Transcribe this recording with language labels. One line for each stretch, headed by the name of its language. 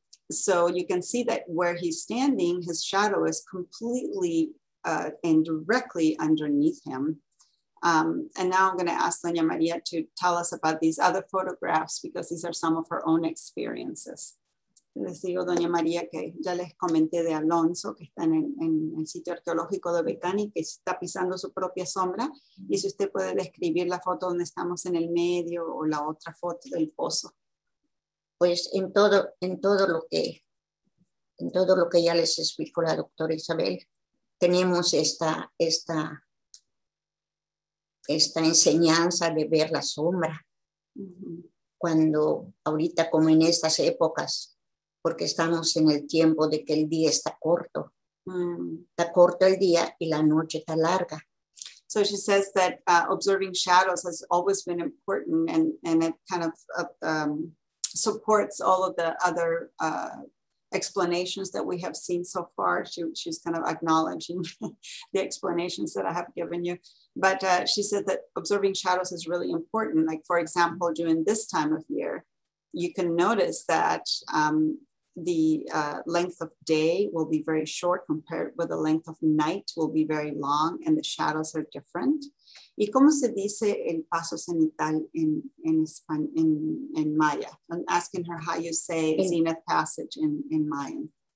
English: So you can see that where he's standing, his shadow is completely and directly underneath him. And now I'm gonna ask Doña María to tell us about these other photographs, because these are some of her own experiences.
Spanish: Les digo, Doña María, que ya les comenté de Alonso, que está en el sitio arqueológico de Becán y que está pisando su propia sombra. Y si usted puede describir la foto donde estamos en el medio o la otra foto del pozo. Pues en todo lo que ya les explicó la doctora Isabel, tenemos esta enseñanza de ver la sombra. Cuando ahorita, como en estas épocas, porque estamos en el tiempo de que el día está corto. Está corto el día y la noche está larga.
English: So she says that observing shadows has always been important, and it kind of supports all of the other explanations that we have seen so far. She's kind of acknowledging the explanations that I have given you. But she said that observing shadows is really important. Like, for example, during this time of year, you can notice that the length of day will be very short compared with the length of night will be very long, and the shadows are different.
Spanish: ¿Y cómo se dice el paso cenital en Maya?
English: I'm asking her how you say zenith passage in Mayan.